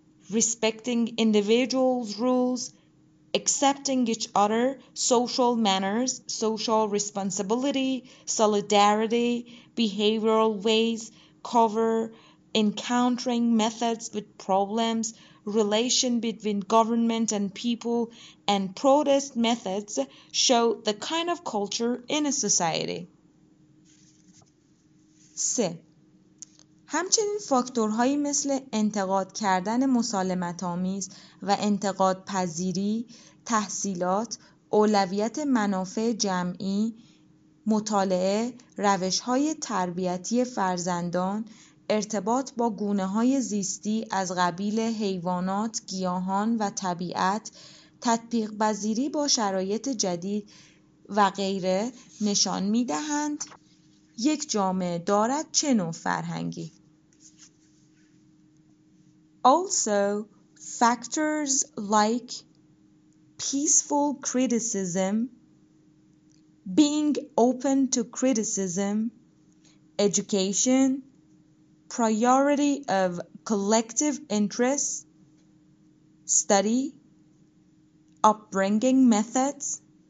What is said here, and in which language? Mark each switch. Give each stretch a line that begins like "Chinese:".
English: respecting individuals' rules, accepting each other, social manners, social responsibility, solidarity, behavioral ways, cover, encountering methods with problems, relation between government and people, and protest methods show the kind of culture in a society. 3.
Persian: همچنین فاکتورهایی مثل انتقاد کردن مسالمت‌آمیز و انتقاد پذیری، تحصیلات، اولویت منافع جمعی، مطالعه، روش‌های تربیتی فرزندان، ارتباط با گونه‌های زیستی از قبیل حیوانات، گیاهان و طبیعت، تطبیق پذیری با شرایط جدید و غیره نشان می‌دهند یک جامعه دارد چه نوع فرهنگی.
English: Also, factors like peaceful criticism, being open to criticism, education, priority of collective interests, study, upbringing methods,